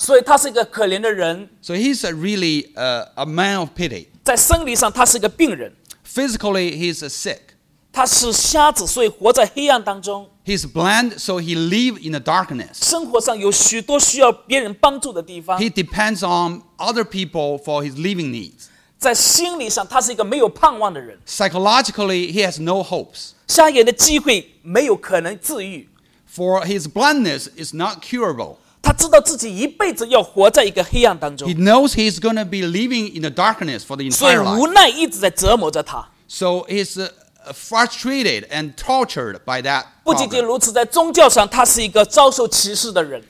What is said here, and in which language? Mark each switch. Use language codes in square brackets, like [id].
[zh] 所以他是一个可怜的人。 [en] So he's really a man of pity. [zh] 在生理上，他是个病人。 [en] Physically, he's sick. [zh] 他是瞎子，所以活在黑暗当中。 [en] He's blind, so he lives in the darkness. [zh] 生活上有许多需要别人帮助的地方。 [en] He depends on other people for his living needs. [zh] 在心理上，他是一个没有盼望的人。 [en] Psychologically, he has no hopes. [zh] 瞎眼的机会没有可能治愈。 [en] For his blindness is not curable. [zh] 他知道自己一辈子要活在一个黑暗当中。 [en] He knows he's going to be living in the darkness for the entire life. [zh] 所以无奈一直在折磨着他。 [en] So he'sfrustrated and tortured by that problem. [zh] 不仅仅如此，在宗教上，他是一个遭受歧视的人。